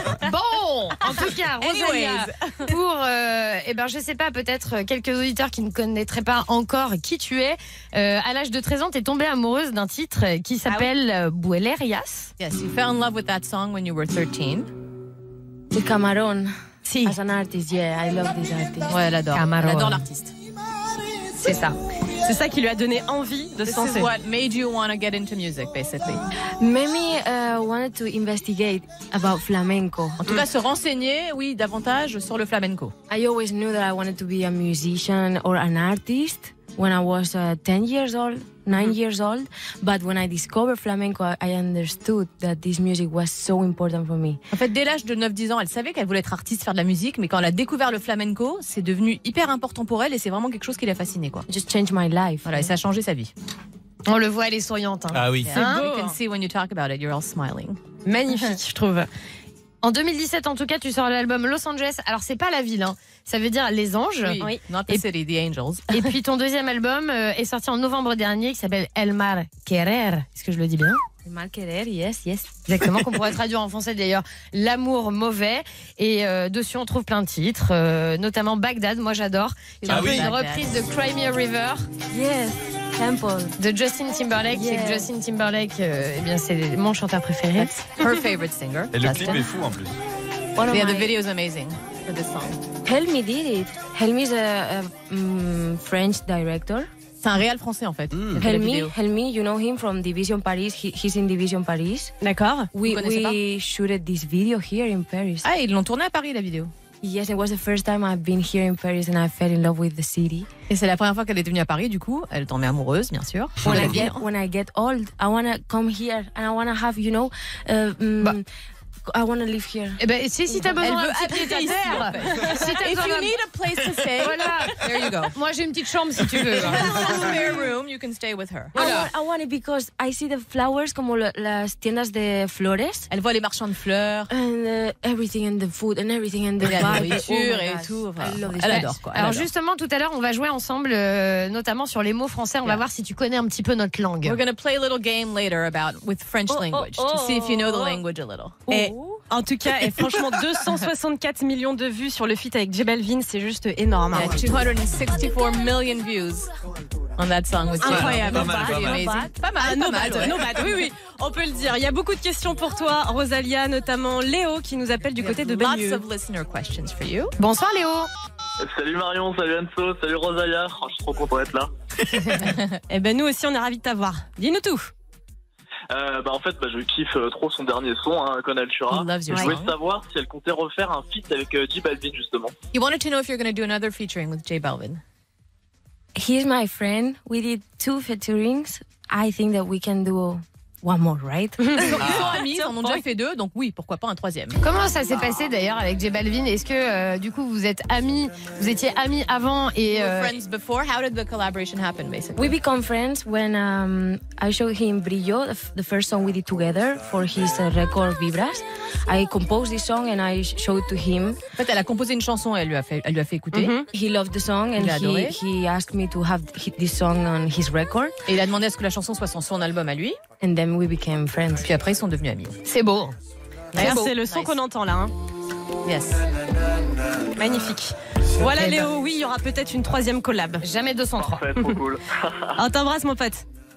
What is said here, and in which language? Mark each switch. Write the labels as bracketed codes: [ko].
[fr] Bon, en tout cas, Rosalia, pour, je sais pas, peut-être quelques auditeurs qui ne connaîtraient pas encore qui tu es, à l'âge de 13 ans, t'es tombée amoureuse d'un titre qui s'appelle Buelerias. [en] Yes, you fell in love with that song when you were 13. The Camarón. Si. As an artist, yeah, I love this artist. [fr] Ouais, elle adore. Camarón. Elle adore l'artiste. C'est ça. C'est ça qui lui a donné envie de se lancer. [en] This is what made you want to get into music, basically. Mimi wanted to investigate about flamenco. [fr] En tout cas, se renseigner, oui, davantage sur le flamenco. [en] I always knew that I wanted to be a musician or an artist when I was 10 years old, 9 years old. But when I discovered flamenco, I understood that this music was so important for me. [fr] En fait, dès l'âge de 9-10 ans, elle savait qu'elle voulait être artiste, faire de la musique. Mais quand elle a découvert le flamenco, c'est devenu hyper important pour elle et c'est vraiment quelque chose qui l'a fascinée, quoi. [en] It just changed my life. [fr] Voilà, et ça a changé sa vie. On le voit, elle est souriante. Hein. Ah oui, c'est beau. [en] You can see when you talk about it, you're all smiling. [fr] Magnifique, je trouve. En 2017, en tout cas, tu sors l'album Los Angeles. Alors, c'est pas la ville, hein. Ça veut dire les anges. [en] Oui, not the city, the angels. [fr] Et puis, ton deuxième album est sorti en novembre dernier, qui s'appelle El Mal Querer. Est-ce que je le dis bien? [en] El Mal Querer, yes, yes. [fr] Exactement, qu'on pourrait traduire en français, d'ailleurs. L'amour mauvais. Et dessus, on trouve plein de titres, notamment Bagdad. Moi, j'adore. Il y a une reprise de Cry Me a River. [en] Yes. [fr] De Justin Timberlake, yeah. C'est que Justin Timberlake, eh bien, c'est mon chanteur préféré. [en] That's her favorite singer. [fr] Et le clip est fou en plus. [en] Yeah, the video is amazing for this song. Helmi did it. Helmi is French director. [fr] C'est un réel français en fait. Mm. [en] Helmi, Helmi, you know him from Division Paris. He's in Division Paris. [fr] D'accord. [en] We shooted this video here in Paris. [fr] Ah, ils l'ont tourné à Paris la vidéo. [en] Yes, it was the first time I've been here in Paris and I fell in love with the city. [fr] Et c'est la première fois qu'elle est venue à Paris, du coup, elle tombe amoureuse, bien sûr. [en] When I get old, I want to come here and I want to have, you know, I want to live here. [fr] Eh ben, si t'as besoin d'un petit pied à terre. Si t'as besoin, [en] if you need a place to stay, [fr] voilà. [en] There you go. [fr] Moi, j'ai une petite chambre si tu veux. [en] If you have a spare room, you can stay with her. Voilà. I want it because I see the flowers [es] como las tiendas de flores. [fr] Elle voit les marchands de fleurs. [en] And everything and the food and everything and the [fr] vibe. La nourriture et tout. Enfin, elle adore, quoi. Elle alors adore. Justement, tout à l'heure, on va jouer ensemble, notamment sur les mots français. On va voir si tu connais un petit peu notre langue. [en] We're gonna play a little game later about with French language to see if you know the language a little. [fr] En tout cas, et franchement, 264 millions de vues sur le feat avec J Balvin, c'est juste énorme. [en] Yeah, 264 million views on that song with J Balvin. [fr] Incroyable. Pas mal. [en] No bad, oui. [fr] On peut le dire. Il y a beaucoup de questions pour toi, Rosalia, notamment Léo qui nous appelle du côté de Bagneux. [en] Lots of listener questions for you. [fr] Bonsoir Léo. Salut Marion, salut Anso, salut Rosalia. Oh, je suis trop content d'être là. Eh ben nous aussi, on est ravis de t'avoir. Dis-nous tout. Je kiffe trop son dernier son, hein, con Altura. Je voulais savoir si elle comptait refaire un feat avec J Balvin, justement. [en] He wanted to know if you're going to do another featuring with J Balvin. He's my friend. We did two featurings. I think that we can do One more, right? Ah. [fr] Ils sont amis, ils en ont déjà fait deux, donc oui, pourquoi pas un troisième. Comment ça s'est passé d'ailleurs avec J Balvin? Est-ce que du coup vous êtes amis, vous étiez amis avant et... [en] Friends before, how did the collaboration happen basically? We become friends when I showed him Brillo, the first song we did together for his record Vibras. I composed this song and I showed to him. [fr] En fait, elle a composé une chanson et elle lui a fait écouter. Mm-hmm. [en] He loved the song and he asked me to have this song on his record. [fr] Et il a demandé à ce que la chanson soit sur son album à lui. [en] And then we became friends. [fr] Puis après, ils sont devenus amis. C'est beau. D'ailleurs, c'est le son qu'on entend là. Hein. [en] Yes. [fr] Magnifique. Voilà, Léo. Oui, il y aura peut-être une troisième collab. Jamais 203. Parfait, trop cool. On t'embrasse, mon pote.